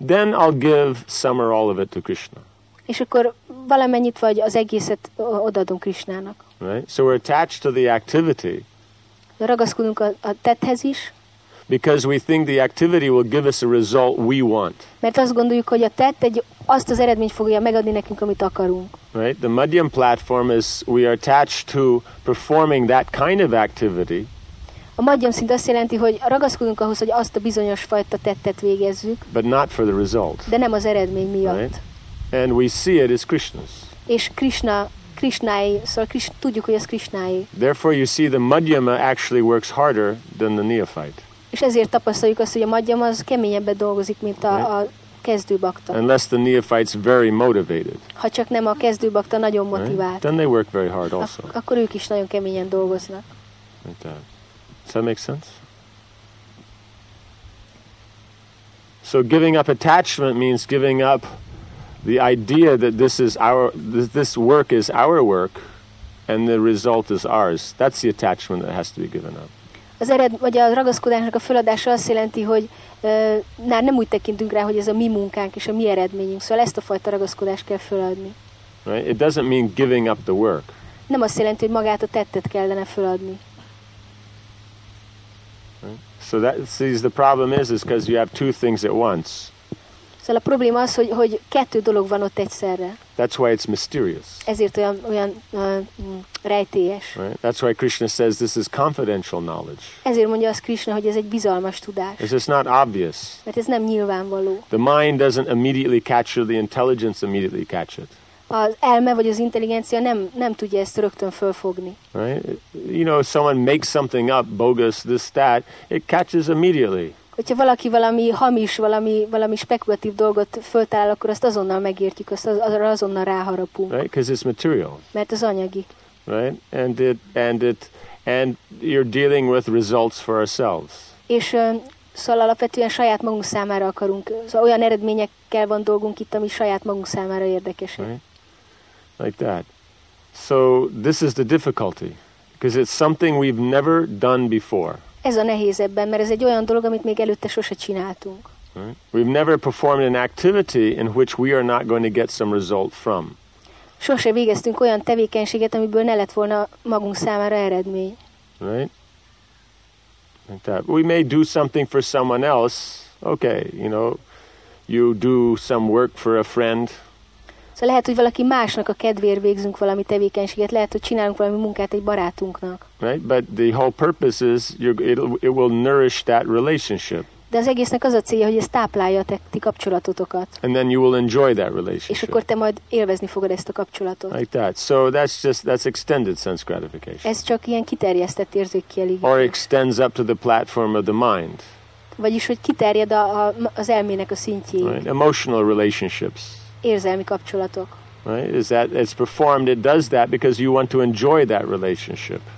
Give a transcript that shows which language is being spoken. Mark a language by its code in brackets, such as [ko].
[en] Then I'll give some or all of it to Krishna. [hu] És akkor valamennyit vagy az egészet odaadom Krishnának. [en] Right? So we're attached to the activity. [hu] Ragaszkodunk a tetthez is. [en] because we think the activity will give us a result we want. [hu] Mert azt gondoljuk, hogy a tett egy azt az eredményt fogja megadni nekünk, amit akarunk. [en] Right? The Madhyam platform is we are attached to performing that kind of activity. [hu] A Madhyam szint azt jelenti, hogy ragaszkodunk ahhoz, hogy azt a bizonyos fajta tettet végezzük. [en] But not for the result. [hu] De nem az eredmény miatt. [en] Right? And we see it as Krishna's. [hu] És Krishna Krishnai, szóval Krishna, tudjuk, hogy ez Krishnai. [en] Therefore you see the Madhyama actually works harder than the neophyte. [hu] És ezért tapasztaljuk azt, hogy a Madhyama az keményebben dolgozik, mint a kezdő bakta. [en] Unless the neophyte's very motivated. [hu] Ha csak nem a kezdő bakta nagyon motivált. [en] Right? Then they work very hard also. [hu] Akkor ők is nagyon keményen dolgoznak. [en] Like that. Does that make sense? So giving up attachment means giving up the idea that this work is our work and the result is ours. That's the attachment that has to be given up. [hu] Az ered, vagy a ragaszkodásnak a feladása azt jelenti, hogy már nem úgy tekintünk rá, hogy ez a mi munkánk és a mi eredményünk. Szóval ezt a fajta ragaszkodást kell feladni. [en] Right? It doesn't mean giving up the work. [hu] Nem azt jelenti, hogy magát a tettet kellene feladni. [en] Right? So that sees the problem is because you have two things at once. [hu] Szóval a probléma az, hogy kettő dolog van ott egyszerre. [en] That's why it's mysterious. [hu] Ezért olyan rejtélyes. [en] Right? That's why Krishna says this is confidential knowledge. [hu] Ezért mondja azt Krishna, hogy ez egy bizalmas tudás. [en] Because it's not obvious. [hu] Mert ez nem nyilvánvaló. [en] The mind doesn't immediately capture, the intelligence immediately catch it. [hu] Az elme vagy az intelligencia nem tudja ezt rögtön fölfogni. [en] Right? You know, if someone makes something up, bogus, this, that, it catches immediately. [hu] Hogyha valaki valami hamis, valami spekulatív dolgot föltalál, akkor azt azonnal megértjük, azonnal ráharapunk. [en] Right, because it's material. [hu] Mert az anyagi. [en] Right, and you're dealing with results for ourselves. [hu] És szóval alapvetően saját magunk számára akarunk, szóval olyan eredményekkel van dolgunk itt, ami saját magunk számára érdekes. [en] Right, like that. So this is the difficulty, because it's something we've never done before. [hu] Ez a nehéz ebben, mert ez egy olyan dolog, amit még előtte sose csináltunk. [en] Right. We've never performed an activity in which we are not going to get some result from. [hu] Sose végeztünk olyan tevékenységet, amiből ne lett volna magunk számára eredmény. [en] Right? Like that. We may do something for someone else. Okay, you know, you do some work for a friend. [hu] Szóval lehet, hogy valaki másnak a kedvéért végzünk valami tevékenységet, lehet, hogy csinálunk valami munkát egy barátunknak. [en] Right, but the whole purpose is it will nourish that relationship. [hu] De az egésznek az a célja, hogy ez táplálja a ti kapcsolatotokat. [en] And then you will enjoy that relationship. [hu] És akkor te majd élvezni fogod ezt a kapcsolatot. [en] Like that. So that's extended sense gratification. [hu] Ez csak ilyen kiterjesztett érzékkielégítés. [en] Or extends up to the platform of the mind. [hu] Vagyis hogy kiterjed az elmének a szintjéig. [en] Right. Emotional relationships. [hu] Érzelmi kapcsolatok. [en] Right? Is that it's performed, it does that because you want to enjoy that relationship.